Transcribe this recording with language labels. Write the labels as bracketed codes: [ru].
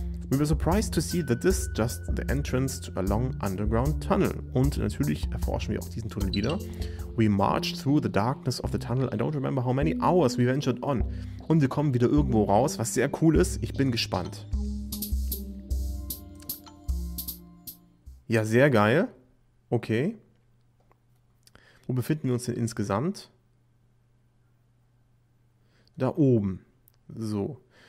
[en] We were surprised to see that this is just the entrance to a long underground tunnel. [de] Und natürlich erforschen wir auch diesen Tunnel wieder. [en] We marched through the darkness of the tunnel. I don't remember how many hours we ventured on. [de] Und wir kommen wieder irgendwo raus, was sehr cool ist. Ich bin gespannt. Ja, sehr geil. Okay. Wo befinden wir uns denn insgesamt? Da oben. So.